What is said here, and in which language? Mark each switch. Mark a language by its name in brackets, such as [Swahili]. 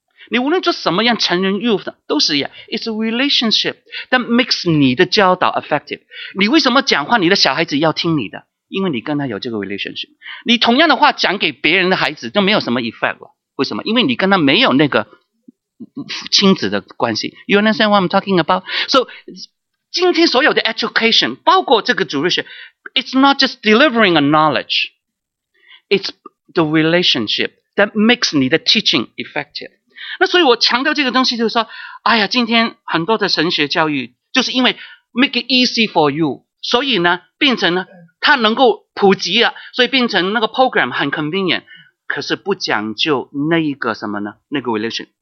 [Chinese] 你无论做什么样成人 youth 都是一样， [English] It's a relationship that makes [Chinese] 你的教导 effective。你为什么讲话你的小孩子要听你的？因为你跟他有这个 relationship。你同样的话讲给别人的孩子就没有什么 effect 了，为什么？因为你跟他没有那个亲子的关系。 [English] You understand what I'm talking about? So [Chinese] 今天所有的 [English] education [Chinese] 包括这个主日学， [English] It's not just delivering a knowledge, It's the relationship that makes 你的 teaching effective。 [Chinese] 那所以我强调这个东西，就是说，哎呀，今天很多的神学教育就是因为 [English] make it easy for you， [Chinese] 所以呢变成呢它能够普及了，所以变成那个 program 很 convenient， 可是不讲究那一个什么呢，那个 relation。